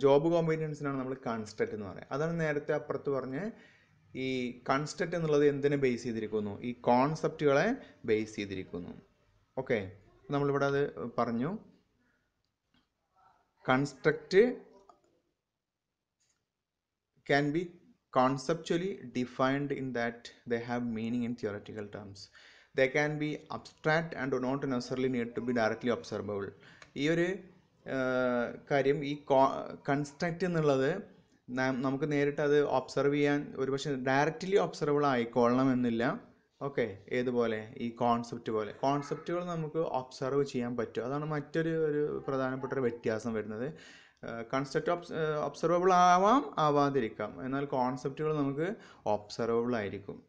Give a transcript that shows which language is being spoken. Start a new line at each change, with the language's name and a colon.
Malayalam: Job കോമ്പീറ്റൻസിനാണ് നമ്മൾ construct എന്ന് പറയുന്നത്. അതാണ് നേരത്തെ അപ്പുറത്ത് പറഞ്ഞ ഈ കൺസ്ട്രക്റ്റ് എന്നുള്ളത് എന്തിനെ ബേസ് ചെയ്തിരിക്കുന്നു? ഈ കോൺസെപ്റ്റുകളെ ബേസ് ചെയ്തിരിക്കുന്നു. ഓക്കെ, നമ്മളിവിടെ അത് പറഞ്ഞു. Construct
English: can be conceptually defined in that they have meaning in theoretical terms. They can be abstract and do not necessarily need to be directly observable.
Malayalam: ഈ ഒരു കാര്യം ഈ കൺസ്ട്രക്റ്റ് എന്നുള്ളത് നമുക്ക് നേരിട്ട് അത് ഒബ്സർവ് ചെയ്യാൻ ഒരു പക്ഷേ ഡയറക്റ്റ്ലി ഒബ്സർവബിൾ ആയിക്കൊള്ളണം എന്നില്ല. ഓക്കെ, ഏതുപോലെ ഈ കോൺസെപ്റ്റ് പോലെ കോൺസെപ്റ്റുകൾ നമുക്ക് ഒബ്സർവ് ചെയ്യാൻ പറ്റും. അതാണ് മറ്റൊരു ഒരു പ്രധാനപ്പെട്ട ഒരു വ്യത്യാസം വരുന്നത്. കൺസെപ്റ്റ് ഒബ്സർവബിൾ ആവാം, ആവാതിരിക്കാം, എന്നാൽ കോൺസെപ്റ്റുകൾ നമുക്ക് ഒബ്സർവബിൾ ആയിരിക്കും.